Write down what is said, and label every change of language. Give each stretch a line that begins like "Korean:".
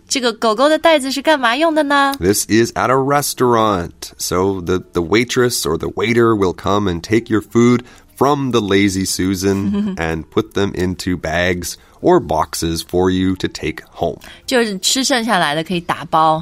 Chinese: 这个狗狗的袋子是干嘛用的呢
English: This is at a restaurant. So the waitress or the waiter will come and take your food from the Lazy Susan and put them into bags or boxes for you to take home.
Chinese: 就是吃剩下来的可以打包、